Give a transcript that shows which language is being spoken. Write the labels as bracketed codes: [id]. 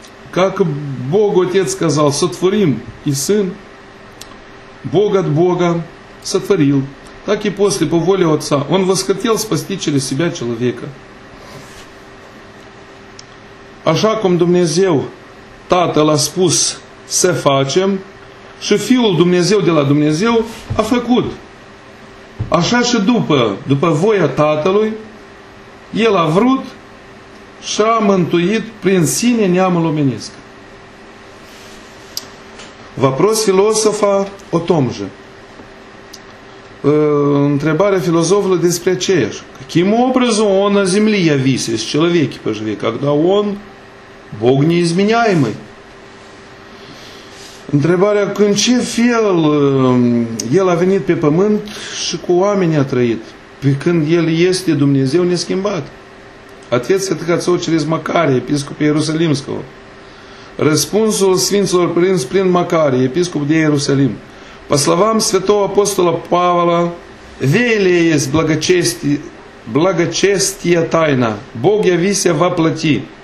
[ru] как Бог Отец сказал, сотворим, и Сын Бог от Бога сотворил, так и после, по воле Отца, Он восхотел спасти через Себя человека. [ro] Așa cum Dumnezeu Tatăl a spus să facem, și Fiul Dumnezeu de la Dumnezeu a făcut. Așa și după voia Tatălui, El a vrut și a mântuit prin Sine neamul omenesc. [ru] Вопрос философа о том же. [ro] Întrebarea filozofului despre aceeași. [ru] Каким образом Он на земле явился, с человеки поживе, когда Он Бог неизменяемый. [ro] Întrebarea, în ce fel El a venit pe pământ și cu oamenii a trăit, pe când El este Dumnezeu neschimbat? [ru] Ответ Святого через Макария, епископа Иерусалимского. [ro] Răspunsul Sfinților Părinți prin Макарий, епископ de Ierusalim. [ru] По словам Святого Апостола Павла, веяли есть благочестия тайна, Бог явися во плоти.